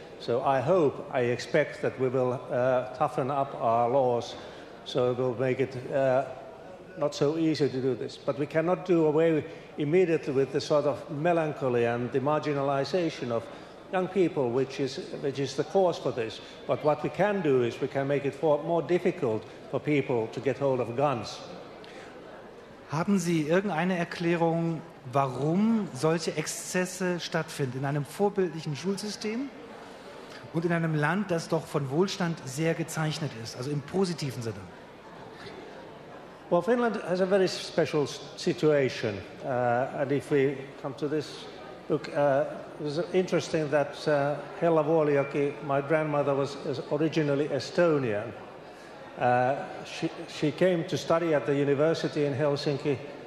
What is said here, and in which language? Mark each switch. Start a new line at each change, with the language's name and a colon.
English: So I hope, I expect that we will toughen up our laws so it will make it not so easy to do this. But we cannot do away immediately with the sort of melancholy and the marginalization of young people, which is the cause for this. But what we can do is we can make it more difficult for people to get hold of guns.
German: Haben Sie irgendeine Erklärung, warum solche Exzesse stattfinden in einem vorbildlichen Schulsystem und in einem Land, das doch von Wohlstand sehr gezeichnet ist, also im positiven Sinne?
English: Well, Finland has a very special situation. And if we come to this, look, it was interesting that Hella Vuolijoki, my grandmother, was originally Estonian. She came to study at the university in Helsinki.